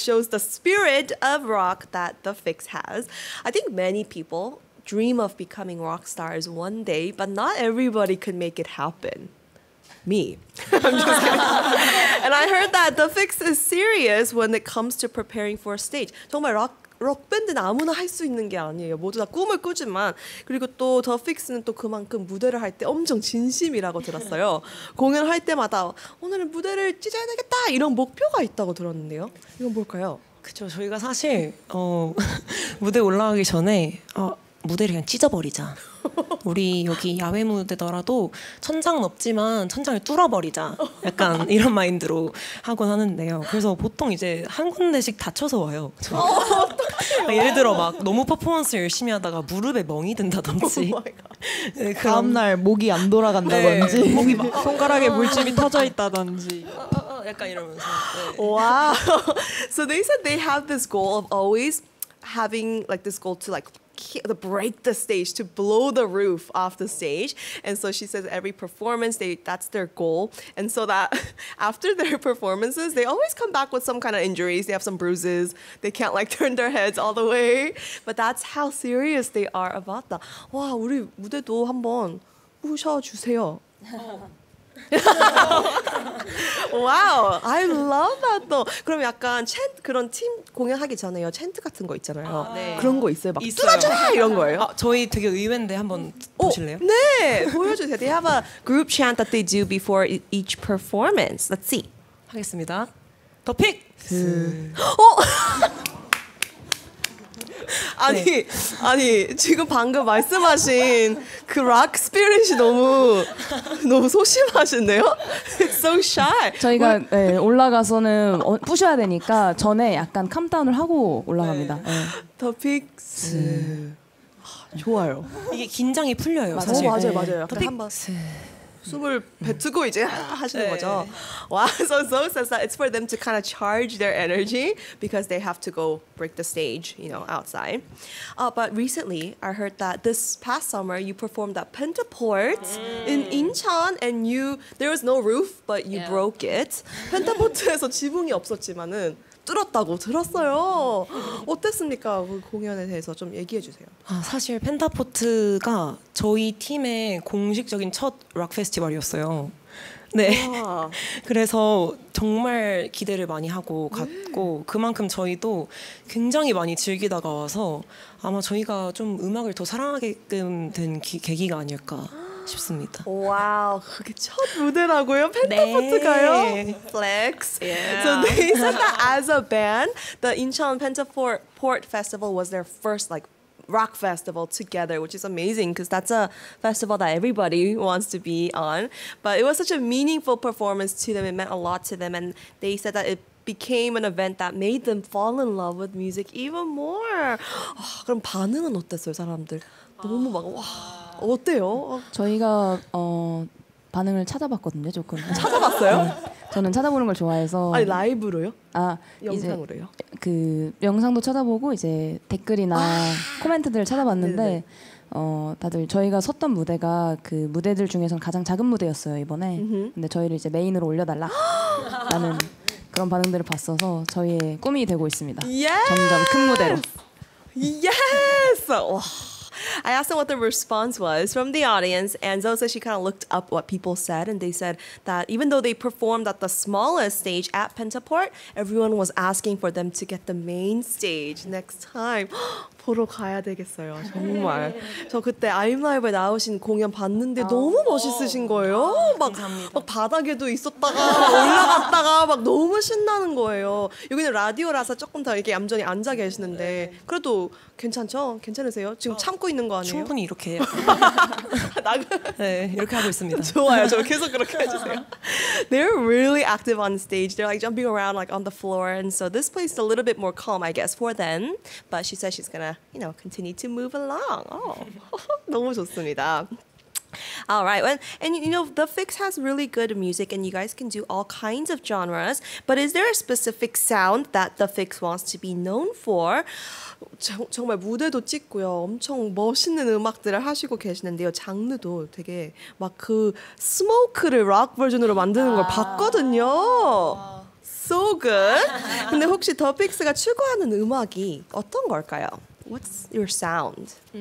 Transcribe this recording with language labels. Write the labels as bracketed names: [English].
[English] It shows the spirit of rock that the Fix has. I think many people dream of becoming rock stars one day, but not everybody could make it happen. Me. I'm just kidding. And I heard that the Fix is serious when it comes to preparing for a stage. [Korean] 정말 록 밴드는 아무나 할 수 있는 게 아니에요. 모두 다 꿈을 꾸지만 그리고 또 더 픽스는 또 그만큼 무대를 할 때 엄청 진심이라고 들었어요. 공연할 때마다 오늘은 무대를 찢어야겠다 이런 목표가 있다고 들었는데요. 이건 뭘까요? 그렇죠. 저희가 사실 무대 올라가기 전에 무대를 그냥 찢어버리자. 우리 여기 야외 무대더라도 천장은 없지만 천장을 뚫어버리자. 약간 이런 마인드로 하곤 하는데요. 그래서 보통 이제 한 군데씩 다쳐서 와요. 예를 들어 막 너무 퍼포먼스 열심히 하다가 무릎에 멍이 든다든지. 다음날 목이 안 돌아간다든지. 네, 목이 막 손가락에 물집이 터져 있다든지. 약간 이러면서. 와. 네. [English] Wow. So they said they have this goal of always having like this goal to like to break the stage, to blow the roof off the stage. And so she says every performance, that's their goal. And so that after their performances, they always come back with some kind of injuries. They have some bruises. They can't like turn their heads all the way. But that's how serious they are about that. [Korean] 와, 우리 무대도 한번 부셔주세요. [English] Wow, I love that though. [Korean] 그럼 약간 챈트 그런 팀 공연하기 전에요. 챈트 같은 거 있잖아요. 아, 네. 그런 거 있어요. 막 뚫어줘라 이런 거예요. 저희 되게 의외인데 한번 보실래요? 네, 보여주세요. [English] They have a group chant that they do before each performance. Let's see. [Korean] 하겠습니다. 더 픽스. 아니 네. 아니 지금 방금 말씀하신 그 락 스피릿이 너무 소심하신데요? [English] It's so shy. [Korean] 저희가 네, 올라가서는 부셔야 되니까 전에 약간 캄다운을 하고 올라갑니다. 네. 네. [English] The pics. [Korean] 좋아요. 이게 긴장이 풀려요. 맞아요. 사실. 맞아요, 맞아요. 더 한번 숨을 뱉고 이제 하시는 거죠. [English] 와, wow, so it's for them to kind of charge their energy because they have to go break the stage, you know, outside. But recently, I heard that this past summer you performed at Pentaport in Incheon and there was no roof, but you broke it. [Korean] Pentaport에서 지붕이 없었지만은 뚫었다고 들었어요. 어땠습니까? 그 공연에 대해서 좀 얘기해 주세요. 아, 사실 펜타포트가 저희 팀의 공식적인 첫 락 페스티벌이었어요. 네. 그래서 정말 기대를 많이 하고 갔고 그만큼 저희도 굉장히 많이 즐기다가 와서 아마 저희가 좀 음악을 더 사랑하게끔 된 계기가 아닐까 싶습니다. 와우, 그게 첫 무대라고요? 펜타포트가요? 네. [English] Flex. Yeah. So they said that as a band, the Incheon Pentaport Festival was their first like rock festival together, which is amazing because that's a festival that everybody wants to be on. But it was such a meaningful performance to them. It meant a lot to them, and they said that it became an event that made them fall in love with music even more. [Korean] 아, 그럼 반응은 어땠어요, 사람들? 너무 막 와. 어때요? 저희가 반응을 찾아봤거든요, 조금. 찾아봤어요? 네. 저는 찾아보는 걸 좋아해서. 아니, 라이브로요? 아, 영상으로요? 이제 그 영상도 찾아보고 이제 댓글이나 코멘트들을 찾아봤는데 다들 저희가 섰던 무대가 그 무대들 중에서 가장 작은 무대였어요, 이번에. 근데 저희를 이제 메인으로 올려달라. 라는 그런 반응들을 봤어서 저희의 꿈이 되고 있습니다. [English] 예스! [Korean] 점점 큰 무대로. 예스! 와. [English] I asked them what the response was from the audience, and Zoe said she kind of looked up what people said, and they said that even though they performed at the smallest stage at Pentaport, everyone was asking for them to get the main stage next time. [Korean] 보러 가야 되겠어요, 정말. 저 그때 I'm Live에 나오신 공연 봤는데 너무 멋있으신 거예요. 막 바닥에도 있었다가 올라갔다가 막 너무 신나는 거예요. 여기는 라디오라서 조금 더 이렇게 얌전히 앉아 계시는데 그래도 괜찮죠? 괜찮으세요? 지금 참고 있는 거 아니에요? 충분히 이렇게 해요. 나가. 네, 이렇게 하고 있습니다. 좋아요. 저 계속 그렇게 해주세요. [English] They're really active on stage. They're like jumping around like on the floor, and so this place is a little bit more calm, I guess, for them. But she says she's gonna, you know, continue to move along. Oh, [Korean] 너무 좋습니다. [English] All right. And you know, The Fix has really good music, and you guys can do all kinds of genres. But is there a specific sound that The Fix wants to be known for? [Korean] 정말 무대도 찍고요. 엄청 멋있는 음악들을 하시고 계시는데요. 장르도 되게 막 그 스모크를 락 버전으로 만드는 걸 봤거든요. [English] So good. [Korean] 근데 혹시 The Fix가 추구하는 음악이 어떤 걸까요? [English] What's your sound?